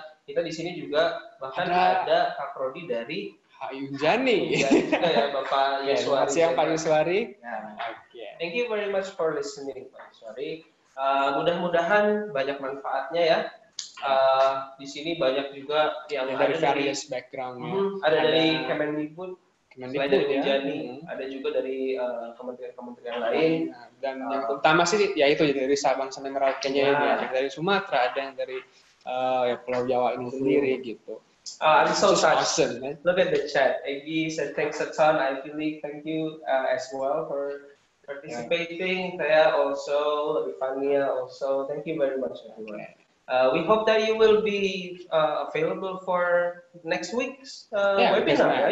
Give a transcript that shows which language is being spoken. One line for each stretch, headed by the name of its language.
Indonesian: Kita di sini juga bahkan ada Kak Prodi dari Hai Yunjani. Ya, Bapak Yeswari. Terima kasih yang Pak Yeswari. Yeah.
English: Thank you very much for listening, Pak Yeswari.
Indonesian: Mudah-mudahan banyak manfaatnya ya. Di sini banyak juga yang dari
English: various background.
Indonesian: Ada dari Kemendikbud. Kemendikbud dari Yunjani. Ada juga dari kementerian-kementerian lain. Dan yang utama sih ya itu dari Sabang sampai Merauke nya ini. Ada dari Sumatera, ada yang dari ya Pulau Jawa ini sendiri gitu.
English: I'm so touched. Awesome, eh? Look at the chat. Egi said thanks a ton. I really thank you as well for participating. Yeah. Thea also, Rifania also. Thank you very much everyone. Okay. We hope that you will be available for next week's webinar.